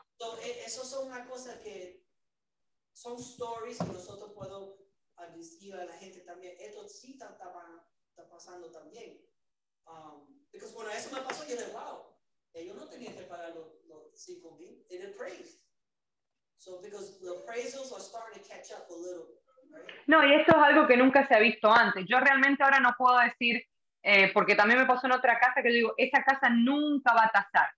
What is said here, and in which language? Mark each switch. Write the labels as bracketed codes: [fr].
[es] Entonces, eso son una cosa que son stories que nosotros podemos decir a la gente también. Esto sí está pasando también. Porque bueno, eso me pasó y era wow. Yo no tenía que pagar los 5 mil, era appraised. [en] So, because the appraisals are starting to catch up a little. [es] No, y esto es algo que nunca se ha visto antes. Yo realmente ahora no puedo decir, porque también me pasó en otra casa, que yo digo, esa casa nunca va a tasar.